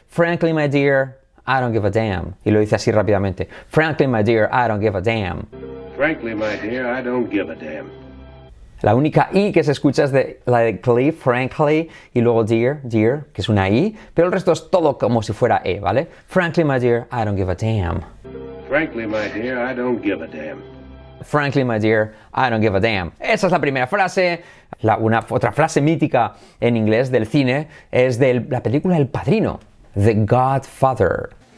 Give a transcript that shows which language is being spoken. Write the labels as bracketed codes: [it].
[en] Frankly, my dear, I don't give a damn. [es] Y lo dice así rápidamente. [en] Frankly, my dear, I don't give a damn. Frankly, my dear, I don't give a damn. [es] La única I que se escucha es de la de Cliff, frankly, y luego dear, dear, que es una I, pero el resto es todo como si fuera E, ¿vale? [en] Frankly, my dear, I don't give a damn. Frankly, my dear, I don't give a damn. Frankly, my dear, I don't give a damn. [es] Esa es la primera frase. Otra frase mítica en inglés del cine es de la película El Padrino, The Godfather.